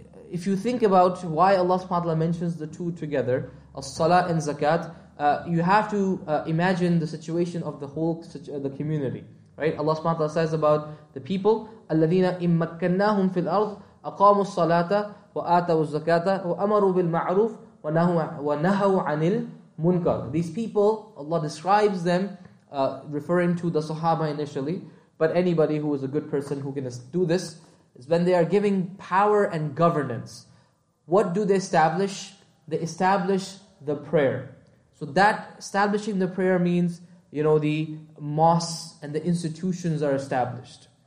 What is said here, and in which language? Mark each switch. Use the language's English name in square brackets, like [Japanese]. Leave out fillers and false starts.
[English] If you think about why Allah subhanahu wa ta'ala mentions the two together, as-salah and zakat, you have to imagine the situation of the whole the community. Right? [Arabic] Allah subhanahu wa ta'ala says about the people, الَّذِينَ إِن مَكَّنَّاهُمْ فِي الْأَرْضِ أَقَامُوا الصَّلَاةَ وَآتَوُوا الزَّكَاةَ وَأَمَرُوا بِالْمَعْرُوفِ وَنَهَوْا عَنِ الْمُنْكَرِ. [English] These people, Allah describes them, referring to the Sahaba initially, but anybody who is a good person who can do this, is when they are giving power and governance. What do they establish? They establish the prayer. So that establishing the prayer means, you know, the mosques and the institutions are established.